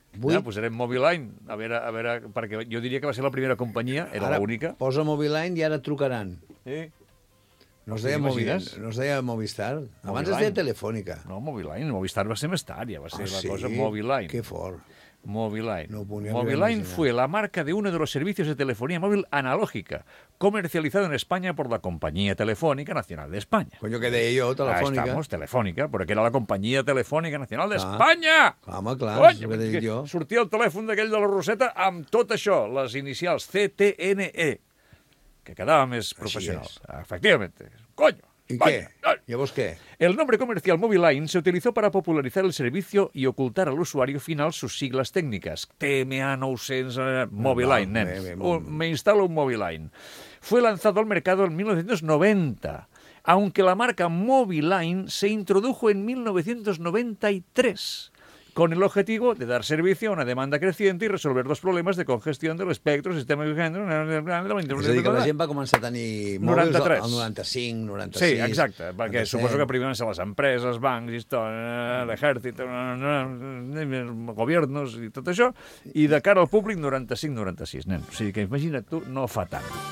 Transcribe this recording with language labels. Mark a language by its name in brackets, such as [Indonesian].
[Catalan] Ja, posarem Mobiline, a veure, perquè jo diria que va ser la primera companyia, era l'única. Ara posa Mobiline i ara trucaran. Sí. No es deia Movistar. Abans es deia Telefònica. No, Mobiline. Movistar va ser més tard, ja va ser la cosa Mobiline. Que fort. Mobiline. No ponia [Spanish] Mobiline fue la marca de uno de los servicios de telefonía móvil analógica, comercializado en España por la Compañía Telefónica Nacional de España. Coño, ¿qué [Catalan] deia jo? [Spanish] Telefónica. Ah, estamos, Telefónica, porque era la Compañía Telefónica Nacional de España. [Catalan] Home, clar, coño, és el que deia jo. Sortia el telèfon d'aquell de la Roseta amb tot això, les inicials CTNE. Que quedava més professional. Efectivament. Coño. [Spanish] ¿Y qué? ¿Llavors qué? El nombre comercial Mobiline se utilizó para popularizar el servicio y ocultar al usuario final sus siglas técnicas. TMA 900, Mobiline, nens. Me instalo un Mobiline. Fue lanzado al mercado en 1990, aunque la marca Mobiline se introdujo en 1993. Con el objetivo de dar servicio a una demanda creciente y resolver los problemas de congestión del espectro, sistema de género... [Catalan] És a dir, que la gent va començar a tenir mòbils 93. El 95, 96... Sí, exacte, perquè suposo que primer van ser les empreses, bancs, l'exèrcit, els governos i tot això, i de cara al públic 95-96, nen. O sigui que imagina't tu, no fa tant.